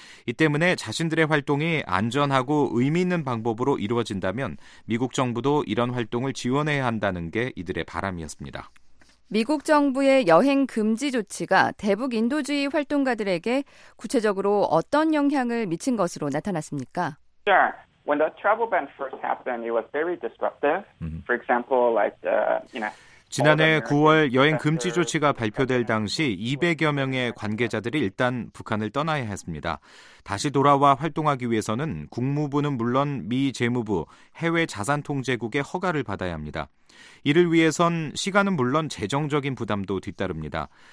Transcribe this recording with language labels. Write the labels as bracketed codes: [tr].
[ko] 이 때문에 자신들의 활동이 안전하고 의미 있는 방법으로 이루어진다면 미국 정부도 이런 활동을 지원해야 한다는 게 이들의 바람이었습니다. 미국 정부의 여행 금지 조치가 대북 인도주의 활동가들에게 구체적으로 어떤 영향을 미친 것으로 나타났습니까? [en] When the travel ban first happened, it was very disruptive. For example, like you know. [ko] 지난해 9월 여행 금지 조치가 발표될 당시 200여 명의 관계자들이 일단 북한을 떠나야 했습니다. 다시 돌아와 활동하기 위해서는 국무부는 물론 미 재무부, 해외 자산 통제국의 허가를 받아야 합니다. 이를 위해선 시간은 물론 재정적인 부담도 뒤따릅니다.